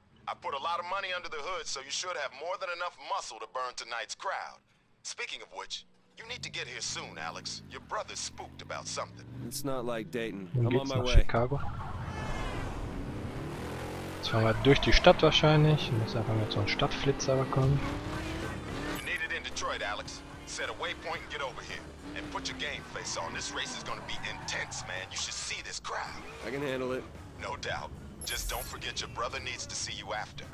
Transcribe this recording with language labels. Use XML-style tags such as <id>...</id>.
<en>I put a lot of money under the hood, so you should have more than enough muscle to burn tonight's crowd. Speaking of which, you need to get here soon, Alex. Your brother's spooked about something. It's not like Dayton. I'm on my way. Chicago.</en> <de>Jetzt fahren wir durch die Stadt wahrscheinlich. Ich muss einfach mit so einem Stadtflitzer kommen.</de> <en>You need it in Detroit, Alex. Set a waypoint and get over here. And put your game face on. This race is gonna be intense, man. You should see this crowd. I can handle it. No doubt. Just don't forget your brother needs to see you after.</en>